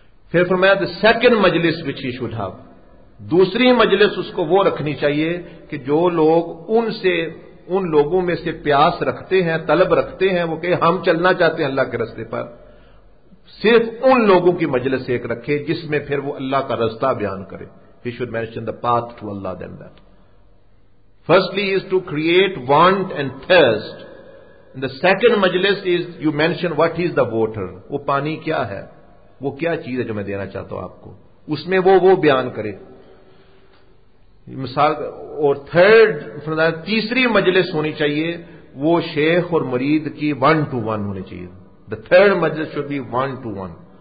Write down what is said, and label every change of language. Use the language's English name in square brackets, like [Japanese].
[Urdu] پھر فرمایا [English] the second مجلس وچ he should have, [Urdu] دوسری مجلس اس کو وہ رکھنی چاہیے کہ جو لوگ ان سے ان لوگوں میں سے پیاس رکھتے ہیں, طلب رکھتے ہیں, وہ کہ ہم چلنا چاہتے ہیں اللہ کے رستے پر, صرف ان لوگوں کی مجلس ایک رکھے جس میں پھر وہ اللہ کا رستہ بیان کرے. [English] He should mention the path to Allah than that. Firstly is to create want and thirst. And the second majlis is you mention what is the water. [Urdu] وہ پانی کیا ہے, وہ کیا چیز ہے جو میں دینا چاہتا ہوں آپ کو, اس میں وہ بیان کرے مثال. اور تھرڈ, تیسری مجلس ہونی چاہیے وہ شیخ اور مرید کی [English] one to one [Urdu] ہونی چاہیے. [English] The third majlis should be one to one.